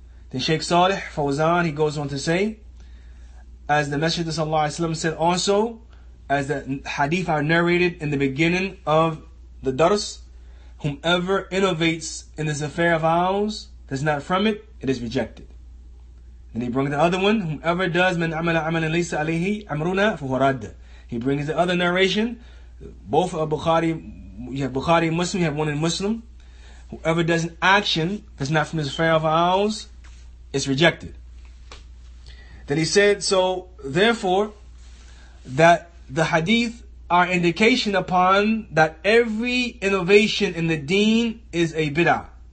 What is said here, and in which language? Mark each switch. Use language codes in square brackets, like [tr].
[en] Then Shaykh Saleh Fawzan, he goes on to say, as the Messenger of Allah said also, as the hadith are narrated in the beginning of the dars, whomever innovates in this affair of ours, does not from it, it is rejected. And he brings the other one, whomever does, [ar] من عمل عمل ليس عليه أمرنا فهو رد. [en] He brings the other narration, both of Bukhari, you have Bukhari and Muslim, you have one in Muslim. Whoever does an action that's not from this affair of ours, it's rejected. Then he said, so therefore, that the hadith are indication upon that every innovation in the deen is a bid'ah.